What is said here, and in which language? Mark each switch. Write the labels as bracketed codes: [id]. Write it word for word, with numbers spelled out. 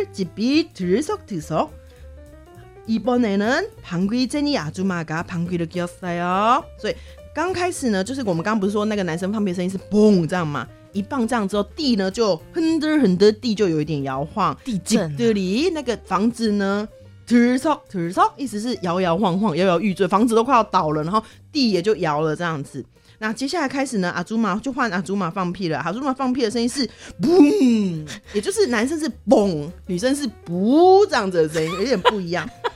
[zh] 所以刚开始一开始先呢，就是那个年轻人啊，他就先开始放屁了。而且这个女生很有趣哦，她用的男生的拟声词跟女生不一样，男生放的屁是砰这样子， [ko] 그러자 [zh] 一放一放了之后膨之后呢， [ko] 땅이 흔들흔들 집이 들썩들썩. 이번에는 방귀쟁이 아줌마가 방귀를 끼웠어요. [zh] 所以 刚开始呢，就是我们刚不是说那个男生放屁的声音是嘣这样嘛，一棒这样之后地呢就흔들흔들地就有一点摇晃，地震里那个房子呢들썩들썩意思是摇摇晃晃摇摇欲坠，房子都快要倒了，然后地也就摇了这样子。那接下来开始呢，아줌마就换阿祖玛放屁了，阿祖玛放屁的声音是嘣，也就是男生是嘣，女生是不这样子的声音，有点不一样。